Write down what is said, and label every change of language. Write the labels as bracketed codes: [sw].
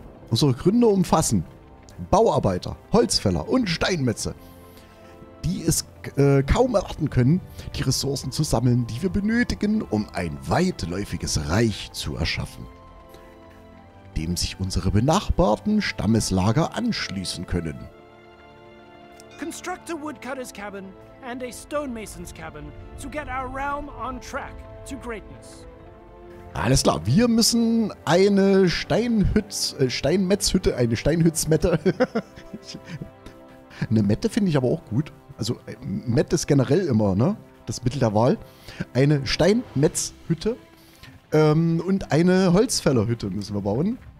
[de] Unsere Gründer umfassen Bauarbeiter, Holzfäller und Steinmetze. Die es kaum erwarten können, die Ressourcen zu sammeln, die wir benötigen, um ein weitläufiges Reich zu erschaffen, dem sich unsere benachbarten Stammeslager anschließen können. [en] Construct a woodcutter's cabin and a stonemason's cabin to get our realm on track to greatness. [de] Alles klar, wir müssen eine Steinmetzhütte, eine Steinhützmette. Eine Mette finde ich aber auch gut. also Matt ist generell immer, ne, das Mittel der Wahl, eine Steinmetzhütte und eine Holzfällerhütte müssen wir bauen.